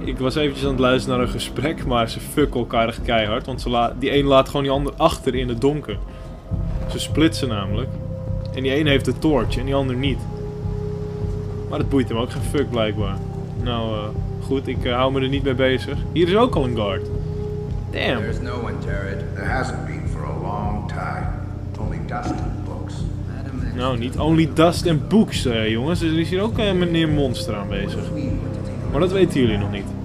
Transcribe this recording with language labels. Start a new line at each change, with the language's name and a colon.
Dutch: Ik was eventjes aan het luisteren naar een gesprek, maar ze fucken elkaar echt keihard. Want die een laat gewoon die ander achter in het donker. Ze splitsen namelijk. En die een heeft de torch en die ander niet. Maar dat boeit hem ook geen fuck blijkbaar. Nou, goed, ik hou me er niet mee bezig. Hier is ook al een guard. Damn.
English: There's no one, Jared. There hasn't been for a long time. Only dust.
Dutch: Nou, niet
English: only dust and books,
Dutch: jongens. Er is hier ook een meneer monster aanwezig. Maar dat weten jullie nog niet.